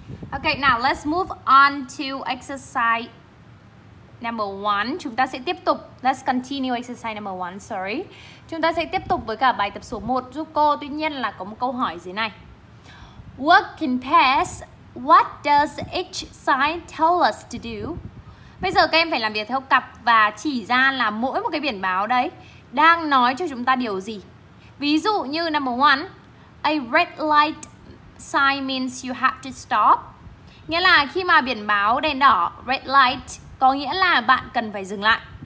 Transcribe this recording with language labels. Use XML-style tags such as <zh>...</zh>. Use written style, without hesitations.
<en>Okay, now let's move on to exercise number 1.</en> <vi>Chúng ta sẽ tiếp tục,</vi> <en>let's continue exercise number 1, sorry.</en> <vi>Chúng ta sẽ tiếp tục với cả bài tập số 1 giúp cô. Tuy nhiên là có một câu hỏi dưới này.</vi> <en>Work in pairs. What does each sign tell us to do?</en> <vi>Bây giờ các em phải làm việc theo cặp và chỉ ra là mỗi một cái biển báo đấy đang nói cho chúng ta điều gì. Ví dụ như</vi> <en>number 1, a red light sign means you have to stop.</en> <vi>Nghĩa là khi mà biển báo đèn đỏ, red light, có nghĩa là bạn cần phải dừng lại.</vi>